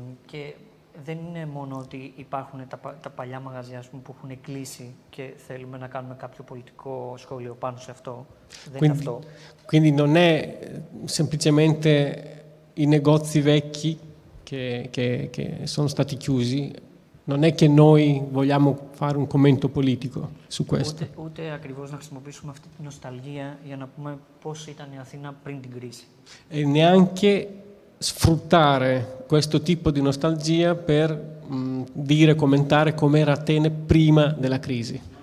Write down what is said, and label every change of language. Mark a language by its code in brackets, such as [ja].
[it] Che [el] δεν είναι μόνο ότι υπάρχουν τα παλιά μαγαζιά που έχουν κλείσει και θέλουμε να κάνουμε κάποιο πολιτικό σχόλιο πάνω σε αυτό. [it] Quindi non è semplicemente i negozi vecchi che sono stati chiusi, non è che noi vogliamo fare un commento politico su questo. [el] Ούτε ακριβώς να χρησιμοποιήσουμε αυτή τη νοσταλγία για να πούμε πώς ήταν η Αθήνα πριν την κρίση. [it] E neanche sfruttare questo tipo di nostalgia per dire, commentare com'era Atene prima della crisi.